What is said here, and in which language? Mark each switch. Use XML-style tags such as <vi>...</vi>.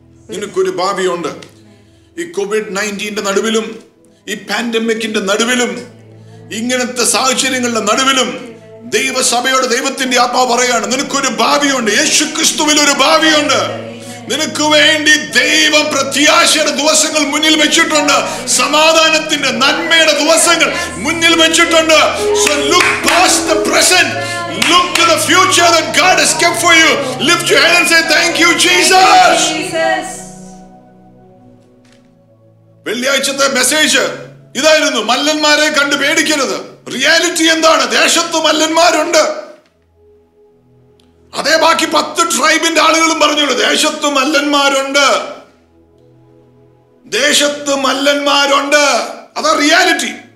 <ml>നിനക്കൊരു ഭാവിയുണ്ട്. ഈ COVID-19 നടുവിലും ഈ പാൻഡമിക്കിന്റെ നടുവിലും ഇങ്ങനത്തെ സാഹചര്യങ്ങളുടെ നടുവിലും ദൈവസഭയോട് ദൈവത്തിന്റെ ആത്മാവ് പറയുകയാണ്, നിനക്കൊരു ഭാവിയുണ്ട്. യേശു ക്രിസ്തുവിൽ ഒരു ഭാവിയുണ്ട് നിനക്ക് വേണ്ടി. ദൈവം പ്രത്യാശയുടെ ദിവസങ്ങൾ മുന്നിൽ വെച്ചിട്ടുണ്ട്, സമാധാനത്തിന്റെ നന്മയുടെ ദിവസങ്ങൾ മുന്നിൽ വെച്ചിട്ടുണ്ട്.</ml> <en>So look past the present. Look to the future that God has kept for you. Lift your hand and say, thank you, Jesus.</en> <ml>വെള്ളിയാഴ്ചത്തെ message ഇതായിരുന്നു, മല്ലന്മാരെ കണ്ട് പേടിക്കരുത്. റിയാലിറ്റി എന്താണ്? ദേശത്ത് മല്ലന്മാരുണ്ട്. അതേ ബാക്കി 10 ട്രൈബിന്റെ ആളുകളും പറഞ്ഞുള്ളൂ, ദേശത്ത് മല്ലന്മാരുണ്ട്, ദേശത്ത് മല്ലന്മാരുണ്ട്. അതാ റിയാലിറ്റി.</ml>